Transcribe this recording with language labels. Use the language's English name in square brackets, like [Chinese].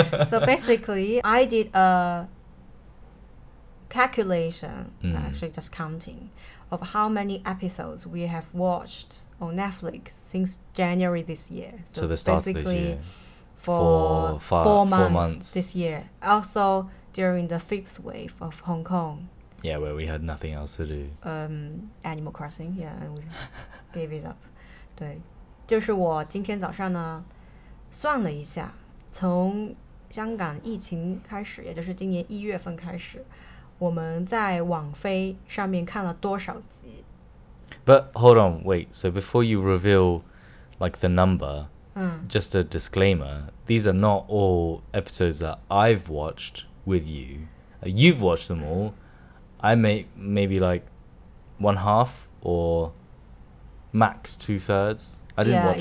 [English] So basically I did a calculation, actually just counting, of how many episodes we have watched on Netflix since January this year. So the start of this year. For four months this year. Also during the fifth wave of Hong Kong. Yeah, where we had nothing else to do. Animal Crossing, yeah, and we gave it up. [Chinese] 对, 就是我今天早上呢, 算了一下, 从香港疫情开始, 也就是今年1月份开始, 我们在网飞上面看了多少集? [English] But hold on, wait, so before you reveal like the number, just a disclaimer, these are not all episodes that I've watched with you. You've watched them all. I may maybe like one half or max two thirds. I didn't watch.